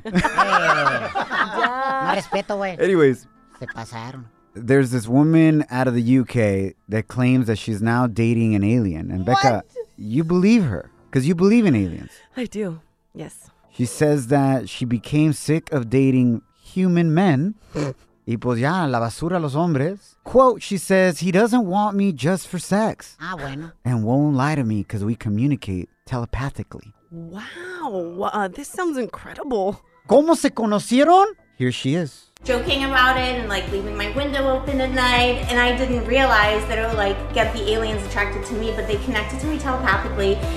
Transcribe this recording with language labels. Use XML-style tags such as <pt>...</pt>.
<es>No respeto, güey.</es> <en>Anyways.</en> <es>Se pasaron.</es> <en>there's this woman out of the UK that claims that she's now dating an alien. And Becca, what? You believe her because you believe in aliens. I do. Yes. She says that she became sick of dating human men.</en> <es>Y pues ya, la basura a los hombres.</es> <en>Quote, she says, he doesn't want me just for sex.</en> <es>Ah, bueno.</es> <en>And won't lie to me because we communicate telepathically. Wow. This sounds incredible.</en> <es>¿Cómo se conocieron?</es> <en>Here she is. Joking about it and like leaving my window open at night. And I didn't realize that it would like get the aliens attracted to me, but they connected to me telepathically.</en>